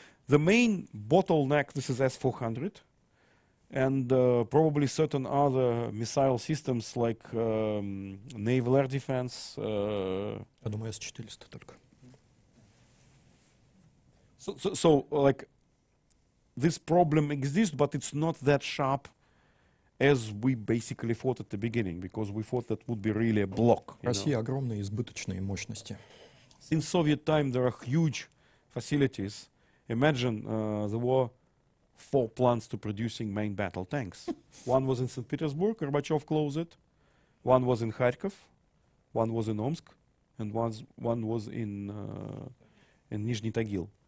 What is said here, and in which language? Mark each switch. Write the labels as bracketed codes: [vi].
[en] The main bottleneck, this is S-400, and probably certain other missile systems like naval air defense. I [ru] думаю, S-400 только. [en] So, like, this problem exists, but it's not that sharp as we basically thought at the beginning, because we thought that would be really a block. [ru] Россия огромные избыточные мощности. [en] Since Soviet time, there are huge facilities. Imagine there were four plants to producing main battle tanks. One was in St. Petersburg, Gorbachev closed it. One was in Kharkov, one was in Omsk, and one was in Nizhny Tagil.